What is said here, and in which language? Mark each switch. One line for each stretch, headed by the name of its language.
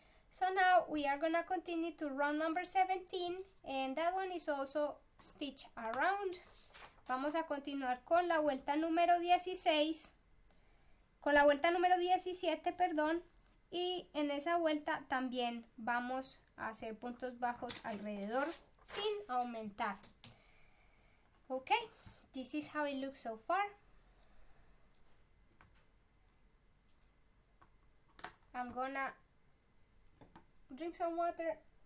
English: So now we are gonna continue to round number 17, and that one is also stitch around.
Spanish: Vamos a continuar con la vuelta número 16, con la vuelta número 17, perdón, y en esa vuelta también vamos a hacer puntos bajos alrededor sin aumentar.
English: Okay, this is how it looks so far. I'm gonna drink some water.